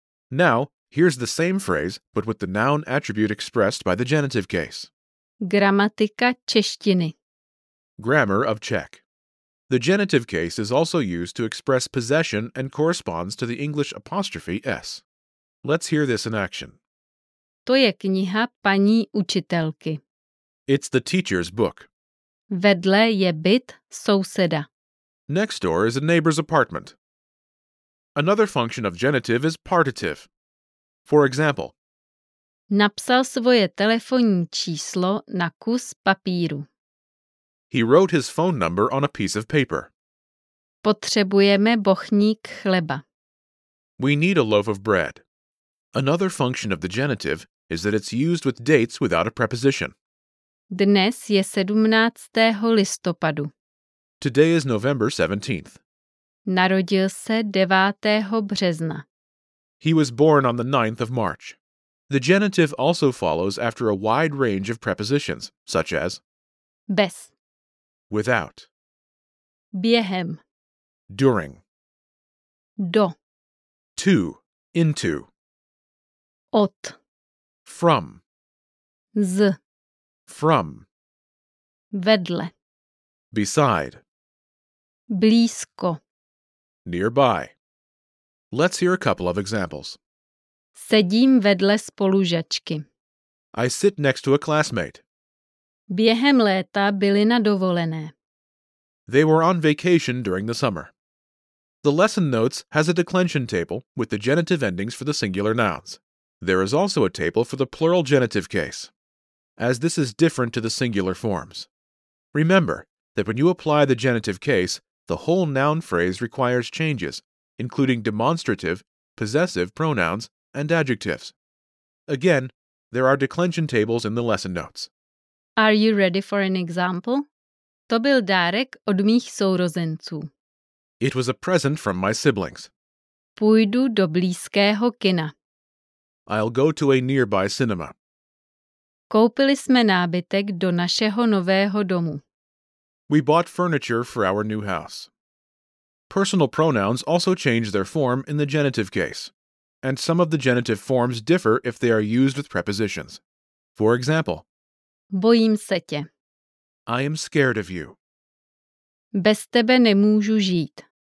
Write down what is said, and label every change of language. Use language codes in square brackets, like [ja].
[en] Now, here's the same phrase, but with the noun attribute expressed by the genitive case. [cs] Gramatika češtiny. [en] Grammar of Czech. The genitive case is also used to express possession and corresponds to the English apostrophe s. Let's hear this in action. [cs] To je kniha paní učitelky. [en] It's the teacher's book. [cs] Vedle je byt souseda. [en] Next door is a neighbor's apartment. Another function of genitive is partitive. For example, [cs] napsal svoje telefonní číslo na kus papíru. [en] He wrote his phone number on a piece of paper. [cs] Potřebujeme bochník chleba. [en] We need a loaf of bread. Another function of the genitive is that it's used with dates without a preposition. [cs] Dnes je 17. listopadu. [en] Today is November 17th. [cs] Narodil se 9. března. [en] He was born on the 9th of March. The genitive also follows after a wide range of prepositions, such as [cs] bez. [en] Without. [cs] Během. [en] During. [cs] Do. [en] To. Into. [cs] Od. [en] From. [cs] Z. [en] From. [cs] Vedle. [en] Beside. [cs] Blízko. [en] Nearby. Let's hear a couple of examples. [cs] Sedím vedle spolužačky. [en] I sit next to a classmate. [cs] Během léta byli na dovolené. [en] They were on vacation during the summer. The lesson notes has a declension table with the genitive endings for the singular nouns. There is also a table for the plural genitive case, as this is different to the singular forms. Remember that when you apply the genitive case, the whole noun phrase requires changes, including demonstrative, possessive pronouns, and adjectives. Again, there are declension tables in the lesson notes. Are you ready for an example? [cs] To byl dárek od mých sourozenců. [en] It was a present from my siblings. [cs] Půjdu do blízkého kina. [en] I'll go to a nearby cinema. [cs] Koupili jsme nábytek do našeho nového domu. [en] We bought furniture for our new house. Personal pronouns also change their form in the genitive case, and some of the genitive forms differ if they are used with prepositions. For example, [cs] bojím se tě. [en] I am scared of you. [cs] Bez tebe nemůžu žít.